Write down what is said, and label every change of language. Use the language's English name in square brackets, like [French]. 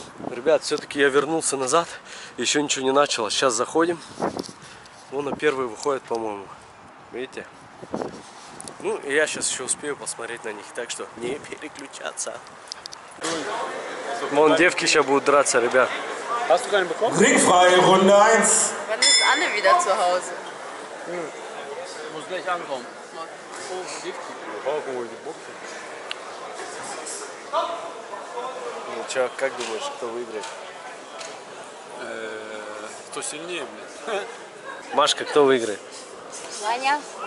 [Russian] Ребят, все-таки я вернулся назад. Еще ничего не началось. Сейчас заходим. Вон на первый выходит, по-моему. Видите? Ну, и я сейчас еще успею посмотреть на них. Так что не переключаться. Вон девки сейчас будут драться, ребят. [German] Hast du keine bekommen? Ringfrage, Runde 1. Wann ist Anne wieder zu Hause? Muss gleich ankommen. [Russian] Ну чё, как думаешь, кто выиграет? Кто сильнее, блин? Машка, кто выиграет? Ваня.